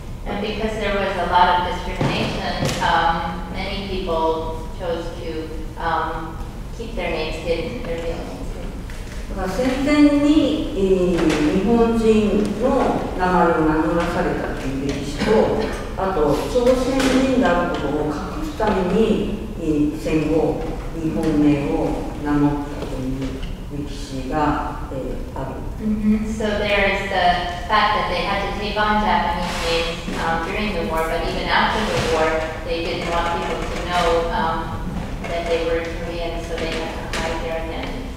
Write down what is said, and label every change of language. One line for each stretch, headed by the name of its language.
English: And because there was a lot of discrimination, many people chose to keep their names hidden, their real names.
Japanese: 戦前に、日本人の名前を名乗らされたという歴史と、あと朝鮮人であることを隠すために、戦後、日本名を名乗ったという歴史が、ある。 Mm-hmm.
English: So there is the fact that they had to take on Japanese names during the war, but even after the war, they didn't want people to know that they were Korean, so they had to hide their name.